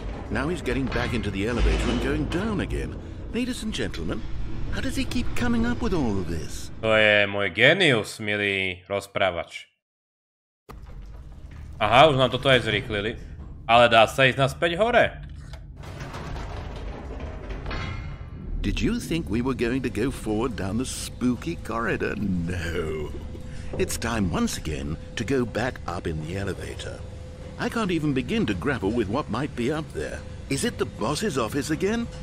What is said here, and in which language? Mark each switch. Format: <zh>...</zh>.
<en>Now he's getting back into the elevator and going down again. Ladies and gentlemen, how does he keep coming up with all of this?</en> <sk>To je môj genius, milý rozprávač. Aha, už nám toto aj zrýchlili. Ale dá sa ísť naspäť hore.</sk> <en>Did you think we were going to go forward down the spooky corridor? No. It's time once again to go back up in the elevator. I can't even begin to grapple with what might be up there. Is it the boss's office again?</en>